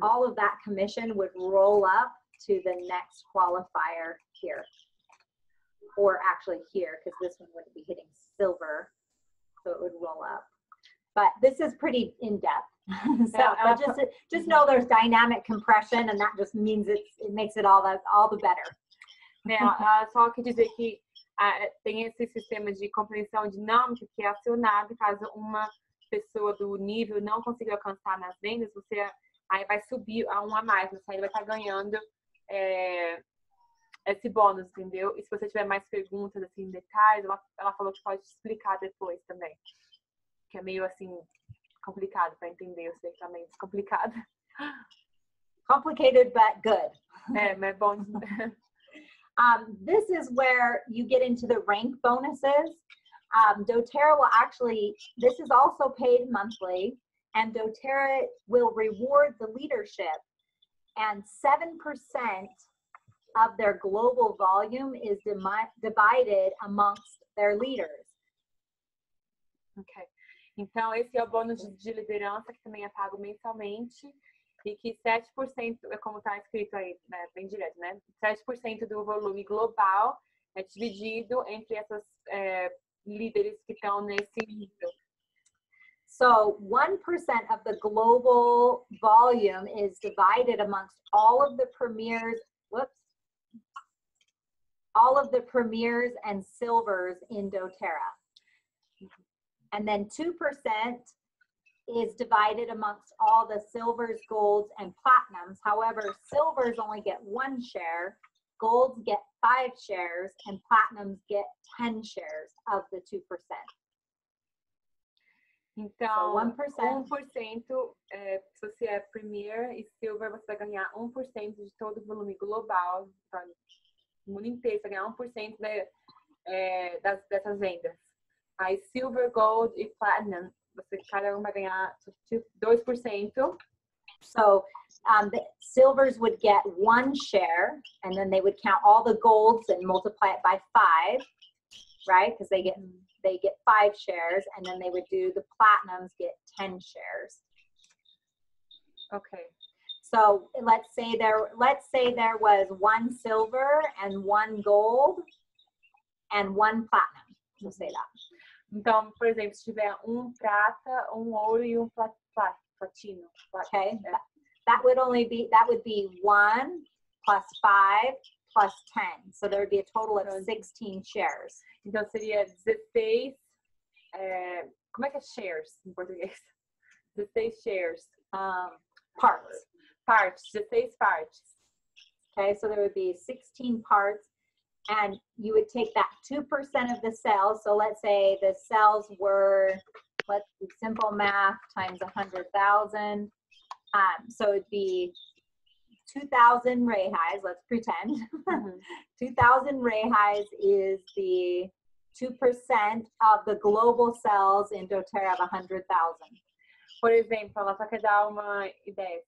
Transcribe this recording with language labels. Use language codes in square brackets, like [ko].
[en] All of that commission would roll up to the next qualifier here. Or actually here, because this one wouldn't be hitting silver. So it would roll up. But this is pretty in depth. So yeah, just know there's dynamic compression, and that just means it makes it all the better. [pt] É, só que dizer que tem esse sistema de compreensão dinâmica que é acionado caso uma pessoa do nível não consiga alcançar nas vendas, você aí vai subir a um a mais, você ainda vai estar ganhando esse bônus, entendeu? E se você tiver mais perguntas, assim, detalhes, ela falou que pode explicar depois também. Que é meio, assim, complicado para entender, eu sei que também é complicado. [en] Complicated, but good. [pt] É, mas bom. [en] This is where you get into the rank bonuses. doTERRA will actually, this is also paid monthly, and doTERRA will reward the leadership, and 7% of their global volume is divided amongst their leaders. Okay. [pt] Então, esse é o bônus de liderança, que também é pago mensalmente, e que 7%, é como está escrito aí, né? Bem direto, né? 7% do volume global é dividido entre essas líderes que estão nesse nível. [en] So, 1% of the global volume is divided amongst all of the premiers, all of the premiers and silvers in doTERRA. And then 2% is divided amongst all the silvers, golds, and platinums. However, silvers only get one share, golds get 5 shares, and platinums get 10 shares of the 2%. [pt] Então, so 1%, 1% se você é premier e silver, você vai ganhar 1% de todo o volume global, então, no mundo inteiro, você vai ganhar 1% dessas vendas. Aí, silver, gold e platinum, você cada um vai ganhar 2%. [en] So, the silvers would get 1 share, and then they would count all the golds and multiply it by 5, right? Because they get 5 shares, and then they would do the platinums get 10 shares. Okay. So, let's say there was 1 silver and 1 gold and 1 platinum. We'll say that. [pt] Então, por exemplo, se tiver prata, ouro e platino. [en] Okay, that would only be, that would be 1 plus 5 plus 10. So there would be a total of 16 shares. [pt] Então seria 16, como é que é shares em português? [en] 16 shares. Parts. Parts, 16 parts. Okay, so there would be 16 parts. And you would take that 2% of the sales. So let's say the sales were, let's do simple math, times 100,000. So it'd be 2,000 reais, let's pretend. 2,000 reais is the 2% of the global sales in doTERRA of 100,000. [pt] Por exemplo, ela só quer dar uma ideia.